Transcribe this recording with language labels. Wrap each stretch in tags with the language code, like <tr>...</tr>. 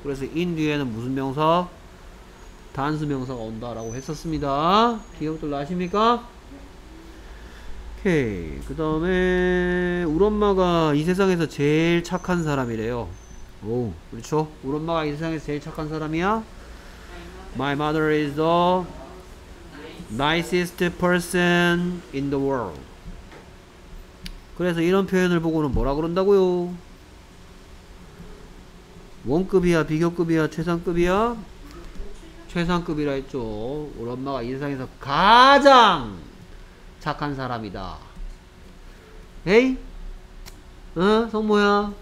<ko>그래서 'in' 뒤에는 무슨 명사? 단수 명사가 온다라고 했었습니다. 기억들 나십니까? 오케이. 그 다음에 우리 엄마가 이 세상에서 제일 착한 사람이래요. 오, 그렇죠? 우리 엄마가 이 세상에서 제일 착한 사람이야?</ko> <en>My mother is the nicest person in the world.</en> <ko>그래서 이런 표현을 보고는 뭐라 그런다고요? 원급이야, 비교급이야, 최상급이야? 최상급이라 했죠. 우리 엄마가 이 세상에서 가장 착한 사람이다. 에이? 응? 성모야?</ko>